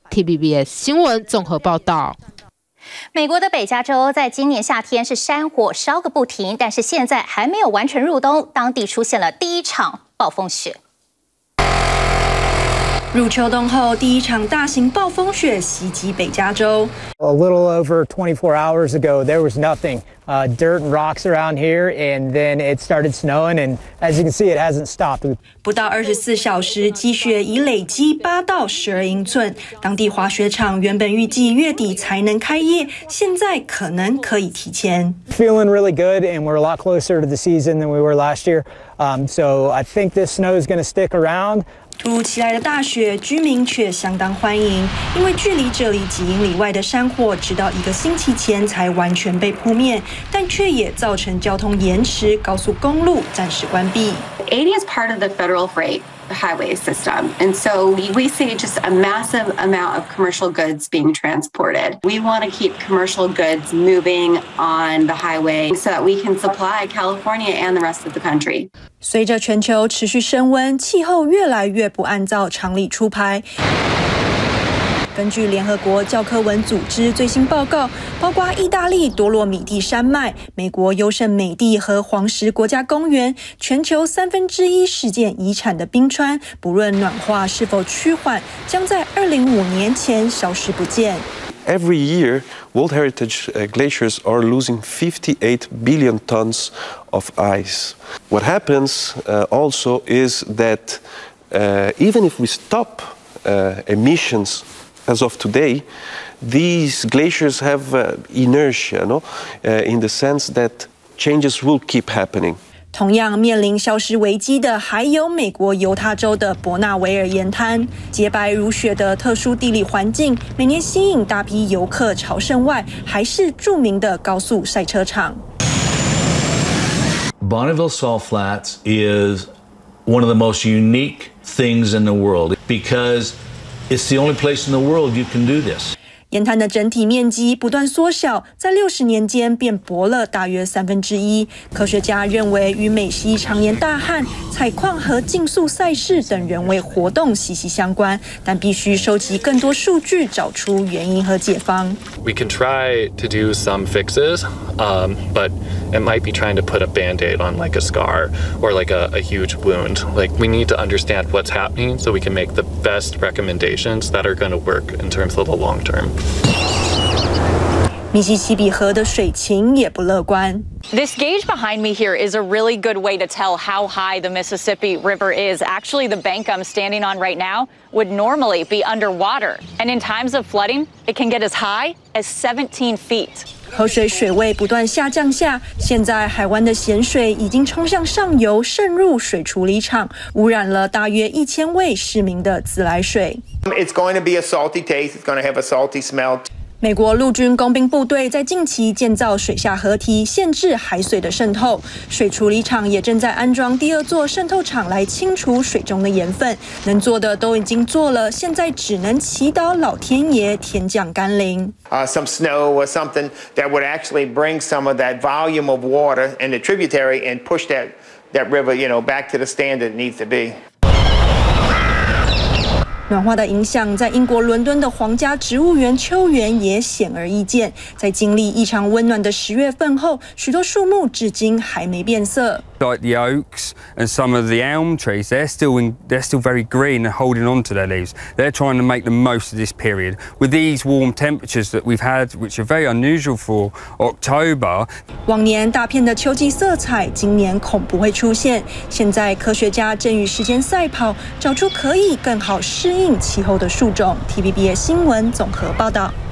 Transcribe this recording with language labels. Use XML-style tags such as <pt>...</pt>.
<zh>TVBS 新闻综合报道。美国的北加州在今年夏天是山火烧个不停，但是现在还没有完全入冬，当地出现了第一场暴风雪。入秋冬后，第一场大型暴风雪袭击北加州。</zh> <en>A little over 24 hours ago, there was nothing. Dirt and rocks around here, and then it started snowing, and as you can see, it hasn't stopped.</en> <zh>不到24小时，积雪已累积8到12英寸。当地滑雪场原本预计月底才能开业，现在可能可以提前。</zh> <en>Feeling really good, and we're a lot closer to the season than we were last year. So I think this snow is going to stick around.</en> <zh>突如其来的大雪，居民却相当欢迎，因为距离这里几英里外的山火，直到一个星期前才完全被扑灭，但却也造成交通延迟，高速公路暂时关闭。</zh> <en>80 is part of the federal freight highway system. And so we see just a massive amount of commercial goods being transported. We want to keep commercial goods moving on the highway so that we can supply California and the rest of the country.</en> <zh>随着全球持续升温，气候越来越不按照常理出牌。根据联合国教科文组织最新报告，包括意大利多洛米蒂山脉、美国优胜美地和黄石国家公园，全球三分之一世界遗产的冰川，不论暖化是否趋缓，将在2050年前消失不见。</zh> <en>Every year, World Heritage glaciers are losing 58 billion tons of ice. What happens, also is that, even if we stop, emissions. As of today, these glaciers have inertia, you know, in the sense that changes will keep happening.</en> <zh>同样面临消失危机的还有美国犹他州的伯纳维尔岩滩。洁白如雪的特殊地理环境，每年吸引大批游客朝圣外，还是著名的高速赛车场。</zh> <en>Bonneville Salt Flats is one of the most unique things in the world because it's the only place in the world you can do this.</en> <zh>岩滩的整体面积不断缩小，在60年间变薄了大约三分之一。科学家认为，与美西常年大旱、采矿和竞速赛事等人为活动息息相关，但必须收集更多数据，找出原因和解方。</zh> <en>We can try to do some fixes, but it might be trying to put a band-aid on like a scar or like a huge wound. Like we need to understand what's happening so we can make the best recommendations that are going to work in terms of the long term.</en> <zh>密西西比河的水情也不乐观。</zh> <en>This gauge behind me here is a really good way to tell how high the Mississippi River is. Actually, the bank I'm standing on right now would normally be underwater. And in times of flooding, it can get as high as 17 feet.</en> <zh>河水水位不断下降下，现在海湾的咸水已经冲向上游，渗入水处理厂，污染了大约1000位市民的自来水。</zh> <en>It's going to be a salty taste. It's going to have a salty smell.</en> <zh>美国陆军工兵部队在近期建造水下河堤，限制海水的渗透。水处理厂也正在安装第二座渗透厂来清除水中的盐分。能做的都已经做了，现在只能祈祷老天爷天降甘霖。</zh> <en>Some snow or something that would actually bring some of that volume of water and the tributary and push that river, you know, back to the standard it needs to be.</en> <zh>暖化的影响在英国伦敦的皇家植物园秋园也显而易见。在经历异常温暖的十月份后，许多树木至今还没变色。</zh> <en>Like the oaks and some of the elm trees, they're still very green and holding on to their leaves. They're trying to make the most of this period with these warm temperatures that we've had, which are very unusual for October.</en> <zh>往年大片的秋季色彩，今年恐不会出现。现在科学家正与时间赛跑，找出可以更好适应气候的树种。TVBS 新闻综合报道。</zh>